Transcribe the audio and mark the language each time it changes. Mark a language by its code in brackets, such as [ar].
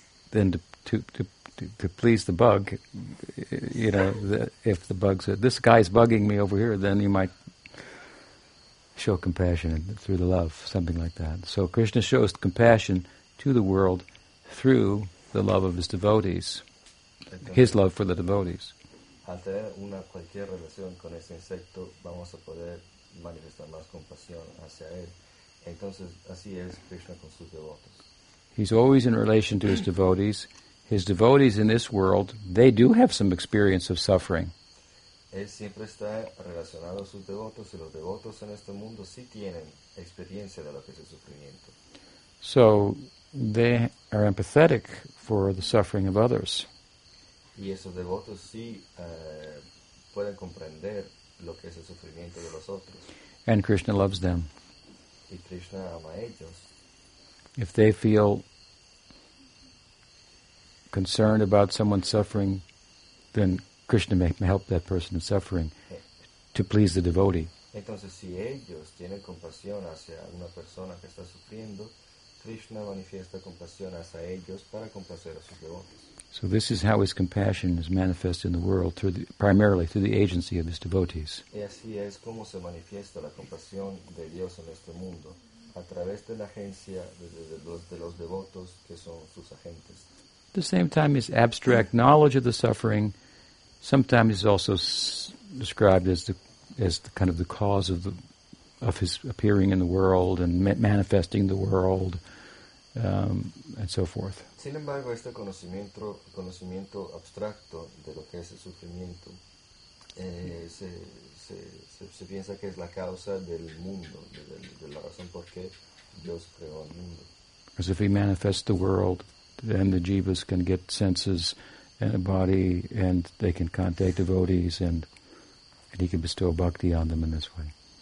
[en] Then to please the bug, you know, if the bug said, "This guy's bugging me over here," then you might show compassion through the love, something like that. So Krishna shows compassion to the world through the love of his devotees, his love for the devotees. [es] Al tener una cualquier relación con ese insecto, vamos a poder manifestar más compasión hacia él. Entonces, así es Krishna con sus devotos. [en] He's always in relation to his devotees. His devotees in this world, they do have some experience of suffering. [es] Él siempre está relacionado a sus devotos, y los devotos en este mundo sí tienen experiencia de lo que es el sufrimiento. [en] So, they are empathetic for the suffering of others. [es] Y esos devotos sí pueden comprender lo que es el sufrimiento de los otros. [en] And Krishna loves them. [es] Y Krishna ama a ellos. [en] If they feel concerned about someone suffering, then Krishna may help that person in suffering to please the devotee. [es] Entonces, si ellos tienen compasión hacia una persona que está sufriendo, Krishna manifiesta compasión hacia ellos para complacer a sus devotos. [en] So this is how his compassion is manifest in the world, primarily through the agency of his devotees. [es] Y así es como se manifiesta la compasión de Dios en este mundo. A través de la agencia de los devotos que son sus agentes. [en] At the same time, his abstract knowledge of the suffering sometimes is also described as the kind of the cause of his appearing in the world and manifesting the world, and so forth. [es] Sin embargo, este conocimiento abstracto de lo que es el sufrimiento se piensa que es la causa del mundo, de la razón por qué Dios creó el mundo. [en] As if he manifests the world, then the jivas can get senses and a body, and they can contact devotees, and he can bestow bhakti on them in this way.